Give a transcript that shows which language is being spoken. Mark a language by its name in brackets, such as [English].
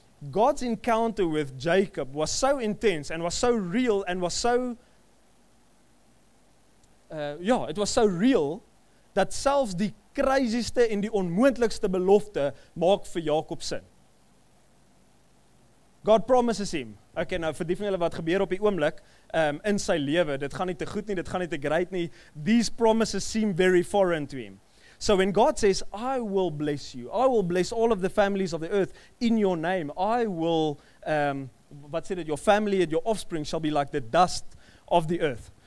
[English] God's encounter with Jacob was so intense, and was so real, and was so, it was so real, that [Afrikaans] selfs die crazieste en die onmoontlikste belofte maak vir Jacob sin. [English] God promises him. [Afrikaans] Okay, nou vir die van julle wat gebeur op die oomblik in sy lewe, dit gaan nie te goed nie, dit gaan nie te great nie. [English] These promises seem very foreign to him. So when God says, I will bless you, I will bless all of the families of the earth in your name, I will, [Afrikaans] wat sê dit, [English] your family and your offspring shall be like the dust of the earth.